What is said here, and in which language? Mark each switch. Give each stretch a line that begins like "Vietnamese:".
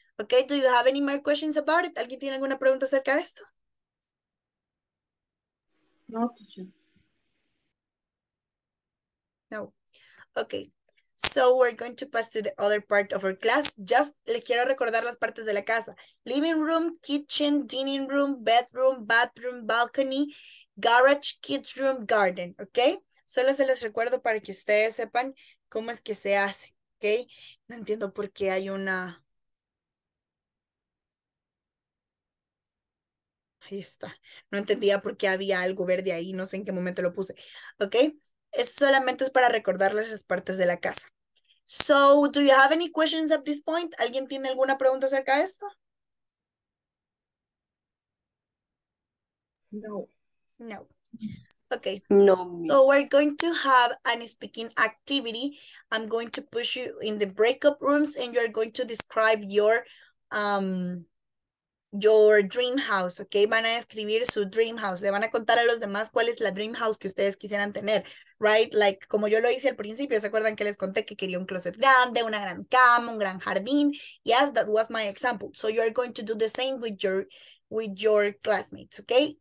English: Okay, do you have any more questions about it?
Spanish: ¿Alguien tiene alguna pregunta acerca de esto?
English: No, teacher. No. Okay. So we're going to pass to the other part of our class. Just
Spanish: le quiero recordar las partes de la casa.
English: Living room, kitchen, dining room, bedroom, bathroom, balcony, garage, kids room, garden. Okay?
Spanish: Solo se les recuerdo para que ustedes sepan cómo es que se hace. Okay? No entiendo por qué hay una... Ahí está. No entendía por qué había algo verde ahí. No sé en qué momento lo puse. ¿Ok? Eso solamente es para recordarles las partes de la casa.
English: So, do you have any questions at this point?
Spanish: ¿Alguien tiene alguna pregunta acerca de esto?
English: No. No. Okay. No, so we're going to have an speaking activity. I'm going to push you in the breakup rooms and you're going to describe your dream house, okay?
Spanish: Van a escribir su dream house. Le van a contar a los demás cuál es la dream house que ustedes quisieran tener, right? Like, como yo lo hice al principio, ¿se acuerdan que les conté que quería un closet grande, una gran cama, un gran jardín?
English: Yes, that was my example. So you're going to do the same with your classmates, okay?